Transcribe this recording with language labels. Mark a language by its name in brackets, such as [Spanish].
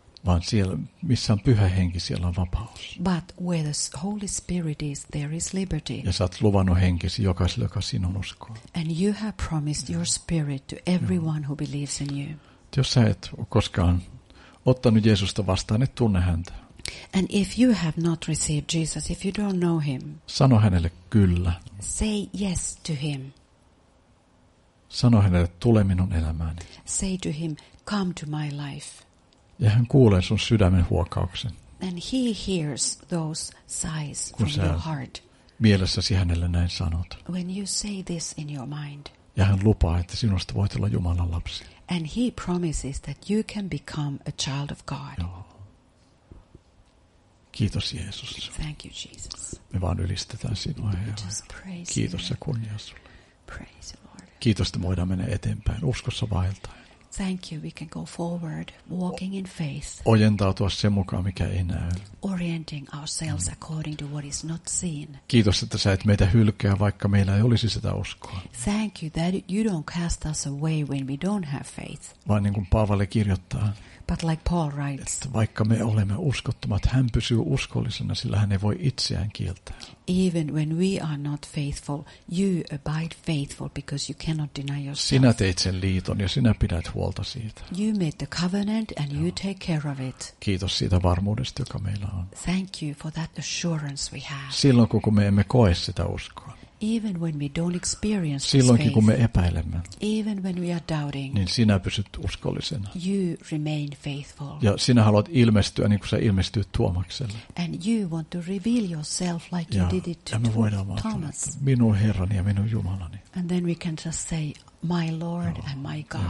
[Finnish] Vaan siellä, missä on pyhä henki, siellä on vapaus. [English] But where the Holy Spirit is, there is liberty. [Finnish] Ja sä oot luvannut henkesi jokaiselle, joka sinun uskoo. [English] And you have promised your spirit to everyone who believes in you. [Finnish] Jos sä et koskaan ottanut Jeesusta vastaan, et tunne häntä. [English] And if you have not received Jesus, if you don't know him. [Finnish] Sano hänelle kyllä. [English] Say yes to him. [Finnish] Sano hänelle, tule minun elämääni. [English] Say to him, come to my life. [Finnish] Ja hän kuulee sun sydämen huokauksen. [English] And he hears those sighs from [Finnish] kun sä [English] your heart. [Finnish] Mielessäsi hänelle näin sanot. [English] When you say this in your mind. [Finnish] Ja hän lupaa, että sinusta voit olla Jumalan lapsi. [English] And he promises that you can become a child of God. [Finnish] Joo. Kiitos Jeesus. [English] Thank you Jesus. [Finnish] Me vaan ylistetään sinua, Herra. Kiitos ja kunnia sulle. [English] Praise the Lord. [Finnish] Kiitos, että voidaan mennä eteenpäin uskossa vaeltaen. [English] Thank you, we can go forward, walking in faith. [Finnish] Ojentautua sen mukaan, mikä ei näy. [English] Orienting ourselves according to what is not seen. [Finnish] Kiitos, että sä et meitä hylkää, vaikka meillä ei olisi sitä uskoa. [English] Thank you that you don't cast us away when we don't have faith. [Finnish] Vaan niin kuin Paavali kirjoittaa. [English] But like Paul writes. [Finnish] Että vaikka me olemme uskottomat, hän pysyy uskollisena, sillä hän ei voi itseään kieltää. [English] Even when we are not faithful, you abide faithful because you cannot deny yourself. [Finnish] Sinä teit sen liiton ja sinä pidät huolta siitä. [English] You made the covenant and you take care of it. [Finnish] Kiitos siitä varmuudesta, joka meillä on. [English] Thank you for that assurance we have. [Finnish] Silloin kun me emme koe sitä uskoa. [English] Even when we don't experience faith. [Finnish] Silloinkin kun me epäilemme. [English] Even when we are doubting. [Finnish] Niin sinä pysyt uskollisena. [English] You remain faithful. [Finnish] Ja sinä haluat ilmestyä niin kuin sä ilmestyit Tuomakselle. [English] And you want to reveal yourself like [Finnish] ja [English] you did it to Thomas. [Finnish] Ja me voidaan vaan sanoa, minun Herrani ja minun Jumalani. [English] And then we can just say, my Lord joo, and my God.